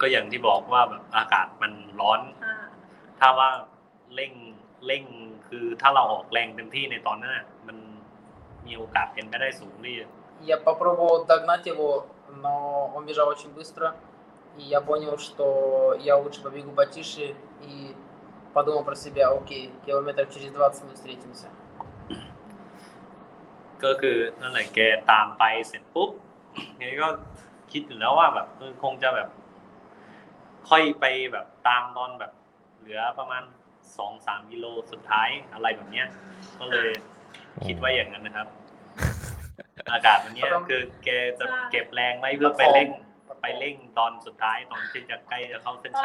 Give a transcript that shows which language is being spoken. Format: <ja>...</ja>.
<th>ก็อย่างที่บอกว่าแบบอากาศมันร้อนถ้าว่าเร่งคือถ้าเราออกแรงเต็มที่ในตอนนั้นมัน มีโอกาสเป็นไปได้สูงเลย</th> <ru>Я попробовал догнать его, но он бежал очень быстро, и я понял, что я лучше побегу потише и подумал про себя: "Окей, километров через 20 мы встретимся".</ru> <th>ก็คือนั่นแหละแกตามไปเสร็จปุ๊บแกก็คิดอยู่แล้วว่าแบบคงจะแบบค่อยไปแบบตามตอนแบบเหลือประมาณ 2-3 กิโลสุดท้ายอะไรแบบเนี้ยก็เลยคิดไว้อย่างนั้นนะครับอากาศวันนี้คือแกจะเก็บแรงไว้เพื่อไปเร่งไปเร่งตอนสุดท้ายตอนที่จะใกล้จะเข้าเส้นช</th>